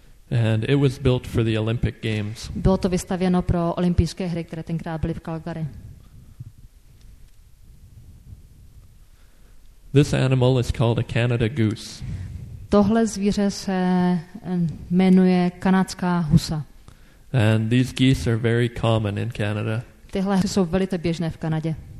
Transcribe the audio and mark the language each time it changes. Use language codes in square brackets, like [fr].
[en] And it was built for the Olympic Games. [cs] Bylo to vystavěno pro olympijské hry, které tenkrát byly v Calgary. [en] This animal is called a Canada goose. [cs] Tohle zvíře se jmenuje kanadská husa. [en] And these geese are very common in Canada. [cs] Tyhle jsou velice běžné v Kanadě.